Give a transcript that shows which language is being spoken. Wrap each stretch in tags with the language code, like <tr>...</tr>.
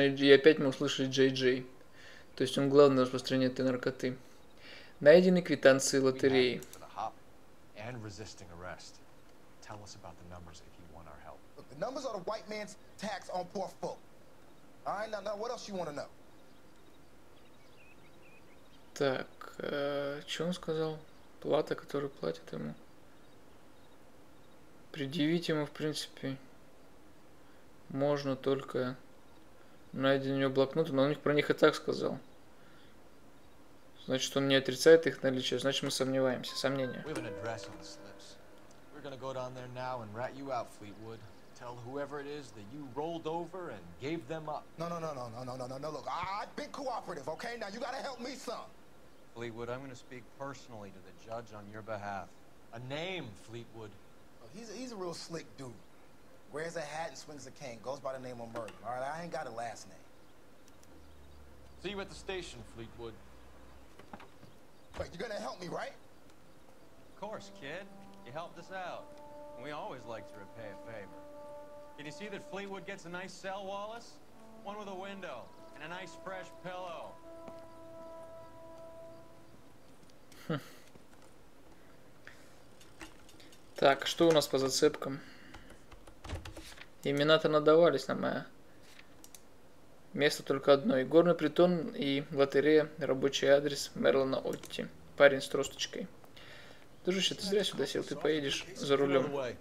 <ru>И опять мы услышали Джей Джей. То есть он главный распространяет наркоты. Найдены квитанции лотереи.</ru> <en>And resisting arrest. Tell us about the numbers if you want our help. Look, the numbers are the white man's tax on poor folk. Alright, now what else you want to know?</en> <ru>Так, что он сказал? Плата, которую платят ему. Предъявить ему, в принципе, можно только найденные у него блокноты, но он про них и так сказал. Значит, он не отрицает их наличие, значит, мы сомневаемся. Сомнения.</ru> <en>We have an address on the slips. We're gonna go down there now and rat you out, Fleetwood. Tell whoever it is that you rolled over and gave them up. No. Look, I've been cooperative, okay? Now you gotta help me some. Fleetwood, I'm gonna speak personally to the judge on your behalf. A name, Fleetwood. Look, he's a real slick dude. Wears a hat and swings a cane. Goes by the name of Merlin. All right, I ain't got a last name. See you at the station, Fleetwood. Wait, you're gonna help me, right? Of course, kid. You helped us out. We always like to repay a favor. Can you see that Fleetwood gets a nice cell, Wallace? One with a window and a nice fresh pillow.</en> <ru>Так, что у нас по зацепкам? Имена-то надавались нам, а место только одно. Игорный притон и лотерея, рабочий адрес Мерлона Отти. Парень с тросточкой. Дружище, ты зря сюда сел, ты поедешь за рулем.</ru>